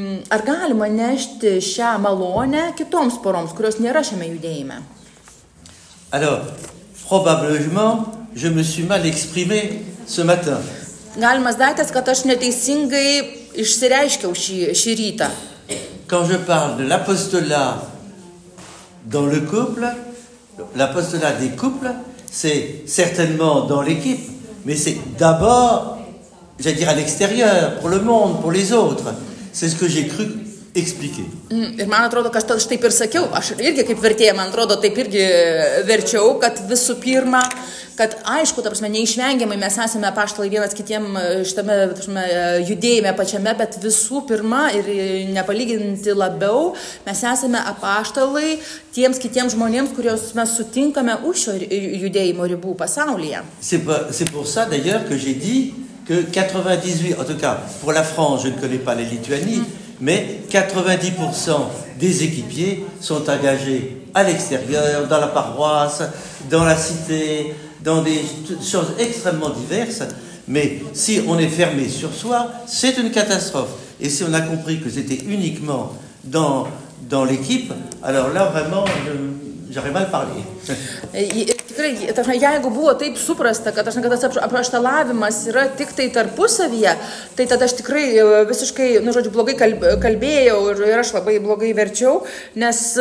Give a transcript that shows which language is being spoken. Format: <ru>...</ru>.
<lt>Ar galima nešti šią malonę kitoms poroms, kurios nėra šiame judėjime?</lt> <fr>Alors, probablement, je me suis mal exprimé ce matin.</fr> <lt>Galimas daiktas, kad aš neteisingai išsireiškiau šį rytą.</lt> <fr>Quand je parle de l'apostolat dans le couple, l'apostolat des couples, c'est certainement dans l'équipe, mais c'est d'abord, j'allais dire, à l'extérieur, pour le monde, pour les autres. C'est ce que j'ai cru expliquer.</fr> <lt>Ir man atrodo, kad aš taip ir sakiau, aš irgi kaip vertėja, man atrodo, taip irgi verčiau, kad visų pirma kad aišku, ta prasme, neišvengiamai mes esame apaštalai vienas kitiem šitame prasme, judėjime pačiame, bet visų pirma ir nepalyginti labiau, mes esame apaštalai tiems kitiems žmonėms, kuriuos mes sutinkame už šio judėjimo ribų pasaulyje.</lt> <fr>C'est pour ça d'ailleurs que j'ai dit que 98, en tout cas pour la France, je ne connais pas les Lituanies, mais 90% des équipiers sont engagés à l'extérieur, dans la paroisse, dans la cité, dans des choses extrêmement diverses. Mais si on est fermé sur soi, c'est une catastrophe. Et si on a compris que c'était uniquement dans l'équipe, alors là, vraiment, j'aurais mal parlé.</fr> <lt>Tikrai, jeigu buvo taip suprasta, kad tas apraštalavimas yra tik tai tarpusavyje, tai tada aš tikrai visiškai, nu žodžiu, blogai kalbėjau ir aš labai blogai verčiau, nes</lt>